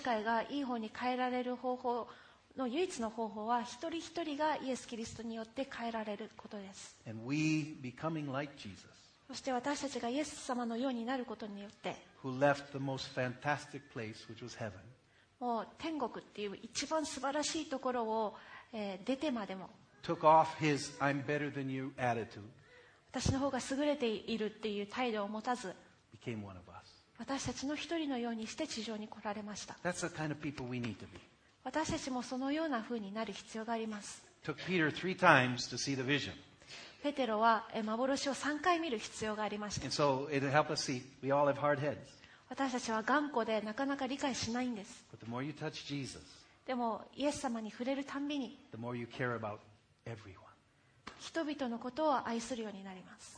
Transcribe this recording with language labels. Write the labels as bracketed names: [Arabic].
[Japanese] 界がいい方に変えられる方法の唯一の方法は一人一人がイエス・キリストによって変えられることです。 [English] And we becoming like Jesus, [Japanese] そして私たちがイエス様のようになることによって [English] who left the most fantastic place, which was heaven, [Japanese] もう天国っていう一番素晴らしいところを出てまでも [English] took off his I'm better than you attitude, [Japanese] 私の方が優れているっていう態度を持たず [English] became one of us. [Japanese] 私たちの一人のようにして地上に来られました。 [English] That's the kind of people we need to be. [Japanese] 私たちもそのような風になる必要があります。 [English] took Peter three times to see the vision. [Japanese] ペテロは幻を3回見る必要がありました。 [English] And so it helped us see. We all have hard heads. [Japanese] 私たちは頑固でなかなか理解しないんです。 [English] But the more you touch Jesus, [Japanese] でもイエス様に触れるたんびに、 [English] the more you care about everyone. [Japanese] 人々のことを愛するようになります。